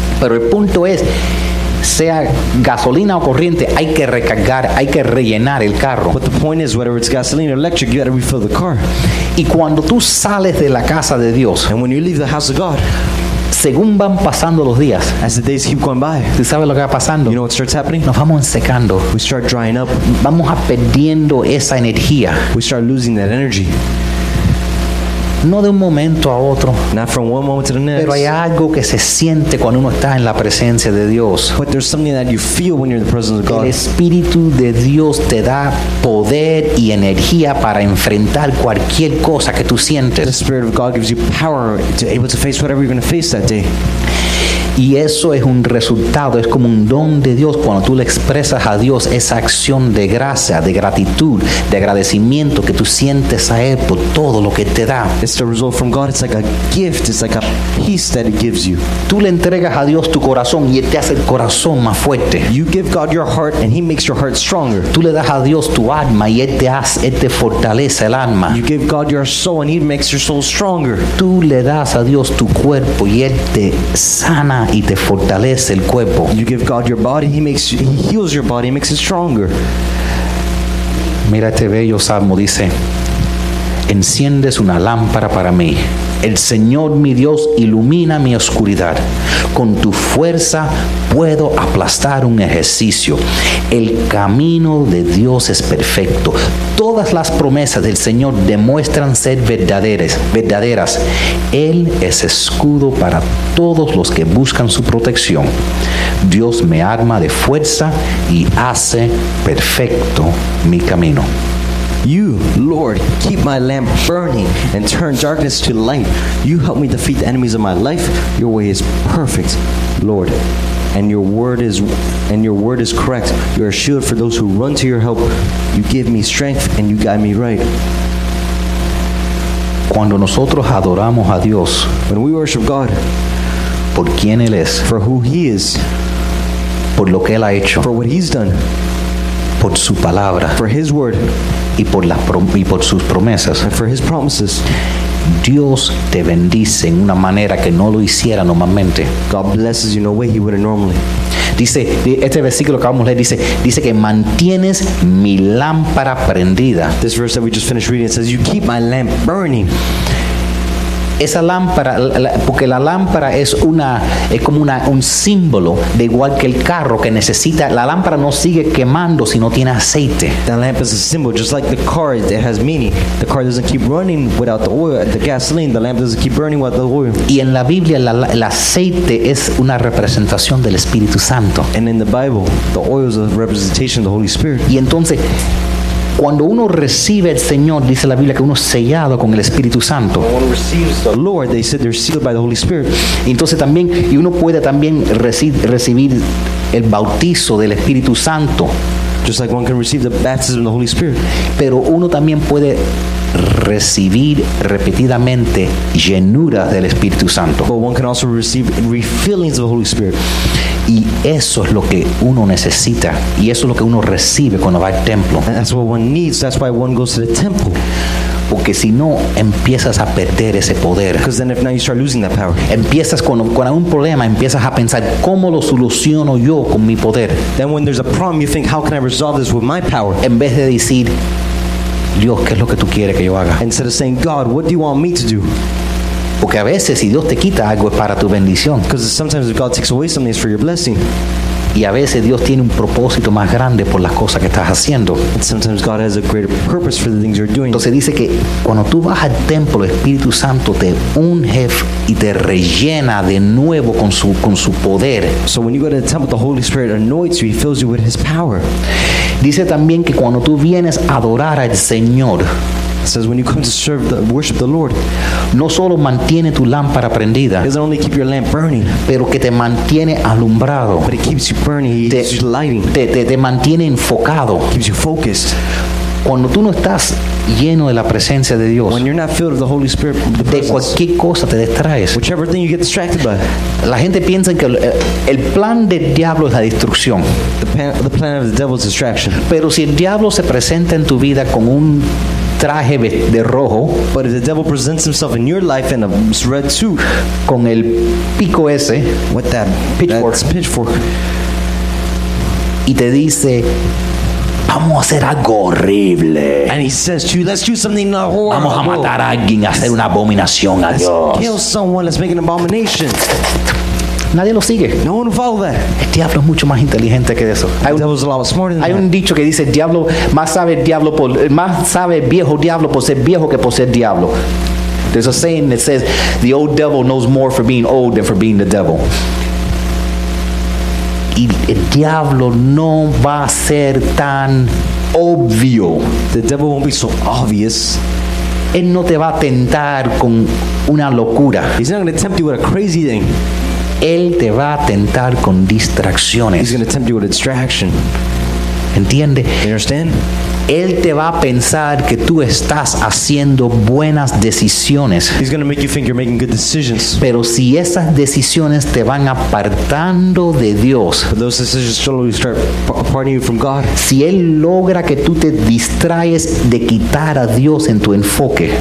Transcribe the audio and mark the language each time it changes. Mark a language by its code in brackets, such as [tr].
[es] Pero el punto es, sea gasolina o corriente, hay que recargar, hay que rellenar el carro. [en] But the point is, whether it's gasoline or electric, you got to refill the car. [es] Y cuando tú sales de la casa de Dios, [en] and when you leave the house of God, [es] según van pasando los días, [en] as the days keep going by, [es] ¿tú sabes lo que va pasando? [en] You know what starts happening? [es] Nos vamos secando. [en] We start drying up. [es] Vamos a perdiendo esa energía. [en] We start losing that energy. [es] No de un momento a otro. [en] Not from one moment to the next. [es] Pero hay algo que se siente cuando uno está en la presencia de Dios. [en] But there's something that you feel when you're in the presence of God. [es] El Espíritu de Dios te da poder y energía para enfrentar cualquier cosa que tú sientes. [en] The Spirit of God gives you power to be able to face whatever you're going to face that day. [es] Y eso es un resultado, es como un don de Dios cuando tú le expresas a Dios esa acción de gracia, de gratitud, de agradecimiento que tú sientes a Él por todo lo que te da. [en] It's the result from God. It's like a gift. It's like a peace that He gives you. [es] Tú le entregas a Dios tu corazón y Él te hace el corazón más fuerte. [en] You give God your heart and He makes your heart stronger. [es] Tú le das a Dios tu alma y Él te fortalece el alma. [en] You give God your soul and He makes your soul stronger. [es] Tú le das a Dios tu cuerpo y Él te sana y te fortalece el cuerpo. [en] You give God your body, he heals your body, he makes it stronger. [es] Mira este bello salmo, dice, enciendes una lámpara para mí. El Señor mi Dios ilumina mi oscuridad. Con tu fuerza puedo aplastar un ejercicio. El camino de Dios es perfecto. Todas las promesas del Señor demuestran ser verdaderas. Él es escudo para todos los que buscan su protección. Dios me arma de fuerza y hace perfecto mi camino. [en] You, Lord, keep my lamp burning and turn darkness to light. You help me defeat the enemies of my life. Your way is perfect, Lord. And your word is correct. You're a shield for those who run to your help. You give me strength and you guide me right. [es] Cuando nosotros adoramos a Dios, [en] when we worship God, [es] por quien él es, [en] for who he is, [es] por lo que él ha hecho, [en] for what he's done, [es] por su palabra, [en] for his word, [es] y por sus promesas, [en] and for his promises, [es] Dios te bendice en una manera que no lo hiciera normalmente. [en] God blesses you in a way he wouldn't normally. [es] Dice, este versículo que vamos a leer dice que mantienes mi lámpara prendida. [en] This verse that we just finished reading, it says, you keep my lamp burning. [es] Esa lámpara, porque la lámpara es como un símbolo, de igual que el carro que necesita, la lámpara no sigue quemando si no tiene aceite. [en] The lamp is a symbol, just like the car, it has meaning. The car doesn't keep running without the oil, the gasoline, the lamp doesn't keep burning without the oil. [es] Y en la Biblia, el aceite es una representación del Espíritu Santo. [en] And in the Bible, the oil is a representation of the Holy Spirit. [es] Y entonces, cuando uno recibe al Señor, dice la Biblia que uno es sellado con el Espíritu Santo. [en] When one receives the Lord, they said they're sealed by the Holy Spirit. [es] Entonces también, y uno puede también recibir el bautizo del Espíritu Santo. [en] Just like one can receive the baptism of the Holy Spirit. [es] Pero uno también puede recibir repetidamente llenuras del Espíritu Santo. [en] But one can also receive refillings of the Holy Spirit. [es] Y eso es lo que uno necesita. Y eso es lo que uno recibe cuando va al templo. [en] And that's what one needs. That's why one goes to the temple. [es] Porque si no, empiezas a perder ese poder. [en] Because then if not, you start losing that power. [es] Empiezas con algún problema, empiezas a pensar, ¿cómo lo soluciono yo con mi poder? [en] Then when there's a problem, you think, how can I resolve this with my power? [es] En vez de decir, Dios, ¿qué es lo que tú quieres que yo haga? [en] Instead of saying, God, what do you want me to do? [es] Porque a veces si Dios te quita algo es para tu bendición. [en] Because sometimes if God takes away something, it's for your blessing. [es] Y a veces Dios tiene un propósito más grande por las cosas que estás haciendo. [en] And sometimes God has a greater purpose for the things you're doing. [es] Entonces dice que cuando tú vas al templo, el Espíritu Santo te unge y te rellena de nuevo con su poder. [en] So when you go to the temple, the Holy Spirit anoints you, he fills you with his power. [es] Dice también que cuando tú vienes a adorar al Señor, [en] it says when you come to serve the worship the Lord, [es] no solo mantiene tu lámpara prendida, [en] it doesn't only keep your lamp burning, [es] pero que te mantiene alumbrado, [en] but it keeps you burning, it keeps you lighting, [es] te mantiene enfocado, [en] it keeps you focused. [es] Cuando tú no estás lleno de la presencia de Dios, [en] when you're not filled with the Holy Spirit, [es] de cualquier cosa te distraes, [en] whichever thing you get distracted by, [es] la gente piensa que el plan del diablo es la destrucción. [en] The plan of the devil is distraction. [es] Pero si el diablo se presenta en tu vida con un traje de rojo, [en] but if the devil presents himself in your life in a red suit, [es] con el pico ese, [en] with that pitchfork, [es] y te dice, vamos a hacer algo horrible. [en] And he says to you, let's do something horrible. [es] Vamos a matar a alguien, hacer una abominación a Dios. [en] Let's kill someone, let's make an abomination. [es] Nadie lo sigue. [en] No one follow that. [es] El diablo es mucho más inteligente que eso. Hay un dicho que dice, más sabe el viejo diablo por ser viejo que por ser diablo. [en] There's a saying that says, the old devil knows more for being old than for being the devil. [es] Y el diablo no va a ser tan obvio. [en] The devil won't be so obvious. [es] Él no te va a tentar con una locura. [en] He's not going to tempt you with a crazy thing. [es] Él te va a tentar con distracciones. [en] He's going to tempt you with a distraction. [es] ¿Entiende? [en] You understand? [es] Él te va a pensar que tú estás haciendo buenas decisiones. [en] He's going to make you think you're making good decisions. [es] Pero si esas decisiones te van apartando de Dios, [en] but those decisions slowly start aparting you from God. [es] Si él logra que tú te distraes de quitar a Dios en tu enfoque,